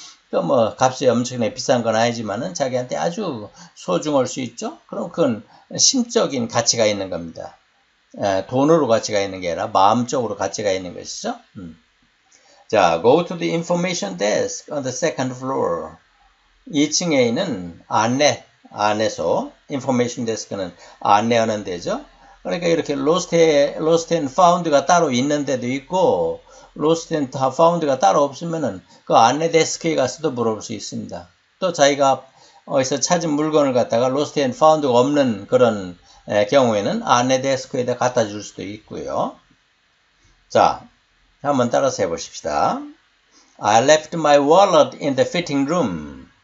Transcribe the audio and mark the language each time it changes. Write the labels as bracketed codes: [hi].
[ko] 그, 뭐, 값이 엄청나게 비싼 건 아니지만은 자기한테 아주 소중할 수 있죠? 그럼 그건 심적인 가치가 있는 겁니다. 돈으로 가치가 있는 게 아니라 마음적으로 가치가 있는 것이죠? [en] 자, go to the information desk on the second floor. [ko] 2층에 있는 안에서, information desk는 안내하는 데죠? 그러니까 이렇게 lost and found가 따로 있는 데도 있고, Lost and Found가 따로 없으면은 그 안내 데스크에 가서도 물어볼 수 있습니다. 또 자기가 어디서 찾은 물건을 갖다가 Lost and Found가 없는 그런 경우에는 안내 데스크에다 갖다 줄 수도 있고요. 자, 한번 따라서 해보십시다. [en] I left my wallet in the fitting room.